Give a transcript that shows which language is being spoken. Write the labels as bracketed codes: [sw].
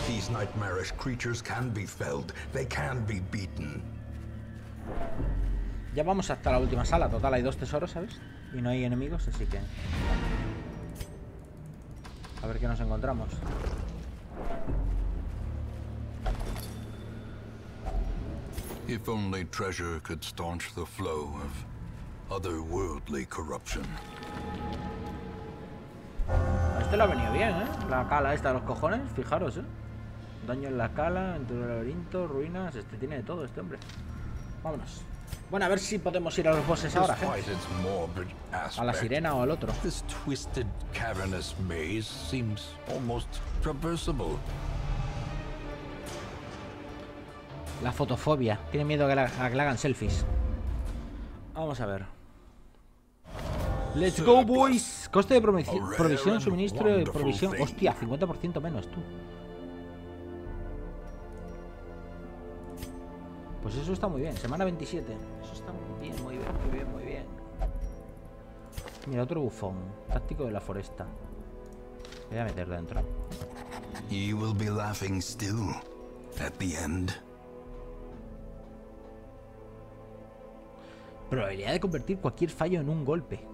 [en] Nightmarish creatures can be felled. They can be beaten. [es] Ya vamos hasta la última sala. Total, hay dos tesoros, ¿sabes? Y no hay enemigos, así que... A ver qué nos encontramos. [en] If only treasure could staunch the flow of otherworldly corruption. [es] Este le ha venido bien, ¿eh? La cala esta de los cojones, fijaros, ¿eh? Daño en la cala, dentro del laberinto, ruinas. Este tiene de todo, este hombre. Vámonos. Bueno, a ver si podemos ir a los bosses ahora, gente. A la sirena o al otro. [en] This twisted, cavernous maze seems almost traversable. [es] La fotofobia. Tiene miedo a que le hagan selfies. Vamos a ver. [en] Let's go, boys. [es] Coste de provisión, suministro de provisión. Hostia, 50% menos, tú. Pues eso está muy bien, semana 27. Eso está muy bien, muy bien, muy bien, muy bien. Mira, otro bufón. Táctico de la foresta. Voy a meter dentro. [en] You will be laughing still at the end. [es] Probabilidad de convertir cualquier fallo en un golpe.